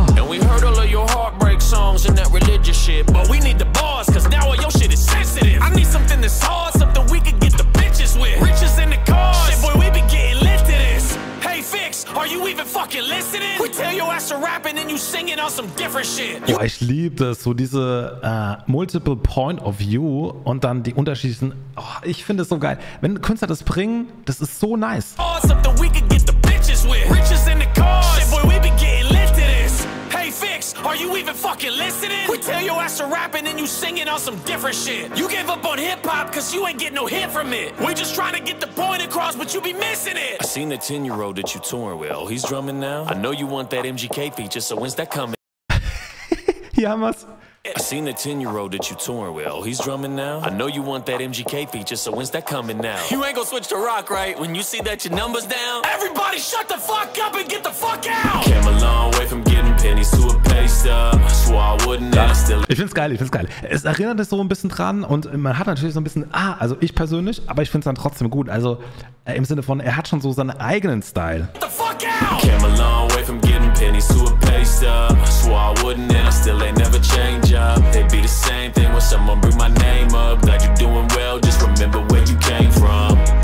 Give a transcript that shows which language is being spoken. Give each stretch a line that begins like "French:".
English: And we heard all of your heartbreak songs and that religious shit. But we need the bars, cause now all your shit is sensitive. I need something that's hard, something we can get the bitches with. Riches in the cars. Shit, boy, we be getting lit to this. Hey, Fix, are you even fucking listening? We tell your ass to rap and then you singing on some different shit.
German: Boah, ich liebe das, so diese Multiple Point of View und dann die unterschiedlichen. Oh, ich finde es so geil. Wenn Künstler das bringen, das ist so nice.
English: Oh, something we can get the bitches with. Riches in the car. Shit, boy, we be getting lifted this. Hey, Fix, are you even fucking listening? We tell your ass to rap and then you singing on some different shit. You gave up on hip-hop cause you ain't getting no hit from it. We just trying to get the point across, but you be missing it. I seen the 10-year-old that you touring with. Oh, he's drumming now? I know you want that MGK feature, so when's that coming? Yeah, man. I seen the 10-year-old that you touring with. Oh, he's drumming now? I know you want that MGK feature, so when's that coming now? You ain't gonna switch to rock, right? When you see that your number's down? Everybody shut the fuck up and get the fuck out! Came a long way from getting pennies to a paste up. Swore I wouldn't, and I still...
German: Ich find's geil. Es erinnert es so ein bisschen dran und man hat natürlich so ein bisschen, also ich persönlich, aber ich find's dann trotzdem gut. Also im Sinne von, er hat schon so seinen eigenen Style.
English: Get the fuck out! Came a long way from getting pennies to a paste up. Swore I wouldn't, and I still ain't never changed. They be the same thing when someone bring my name up. Glad you're doing well, just remember where you came from.